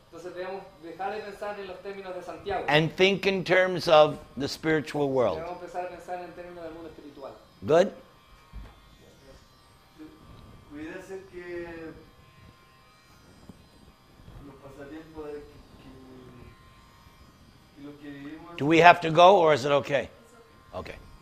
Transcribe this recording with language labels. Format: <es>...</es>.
<es>Entonces debemos dejar de pensar en los términos de Santiago.</es> <en>And think in terms of the spiritual world.</en> <es>Debemos empezar a pensar en términos del mundo espiritual.</es> <en>Good.</en> <es>Puede ser que los pasatiempos que los que vivimos.</es> <en>Do we have to go or is it okay? Okay.</en>